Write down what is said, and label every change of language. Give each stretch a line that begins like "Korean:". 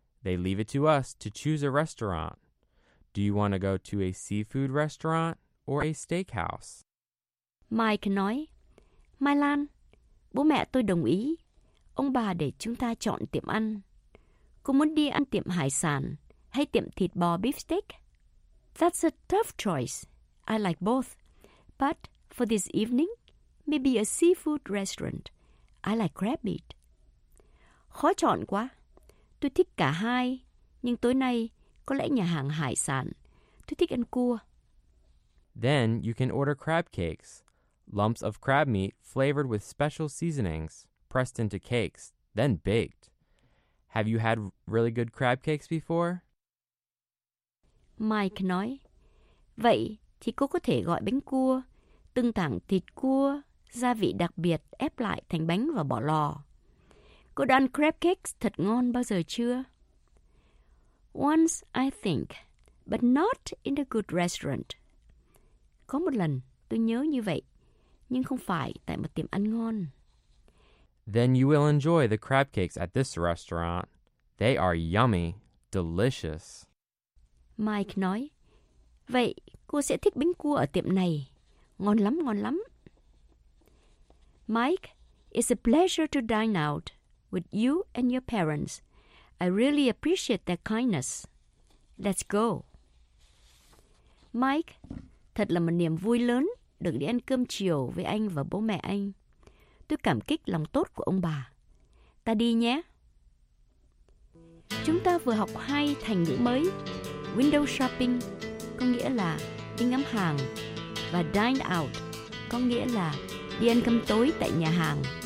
English: They leave it to us to choose a restaurant. Do you want to go to a seafood restaurant or a steakhouse?
Vietnamese: Mike nói, Mylan, bố mẹ tôi đồng ý. Ông bà để chúng ta chọn tiệm ăn. Cô muốn đi ăn tiệm hải sản hay tiệm thịt bò beefsteak?
English: That's a tough choice. I like both. But for this evening, maybe a seafood restaurant. I like crab meat.
Vietnamese: Khó chọn quá. Tôi thích cả hai. Nhưng tối nay, có lẽ nhà hàng hải sản. Tôi thích ăn cua.
English: Then you can order crab cakes. Lumps of crab meat flavored with special seasonings, pressed into cakes, then baked. Have you had really good crab cakes before?
Vietnamese: Mike nói, vậy thì cô có thể gọi bánh cua, từng tảng thịt cua, gia vị đặc biệt ép lại thành bánh và bỏ lò. Cô đã ăn crab cakes thật ngon bao giờ chưa?
English: Once, I think, but not in a good restaurant.
Vietnamese: Có một lần, tôi nhớ như vậy, nhưng không phải tại một tiệm ăn ngon.
English: Then you will enjoy the crab cakes at this restaurant. They are yummy, delicious.
Vietnamese: Mike nói, vậy cô sẽ thích bánh cua ở tiệm này. Ngon lắm, ngon lắm.
English: Mike, it's a pleasure to dine out with you and your parents. I really appreciate their kindness. Let's go.
Vietnamese: Mike, thật là một niềm vui lớn được đi ăn cơm chiều với anh và bố mẹ anh. Tôi cảm kích lòng tốt của ông bà. Ta đi nhé. Chúng ta vừa học hai thành ngữ mới. Window shopping có nghĩa là đi ngắm hàng, và dine out có nghĩa là đi ăn cơm tối tại nhà hàng.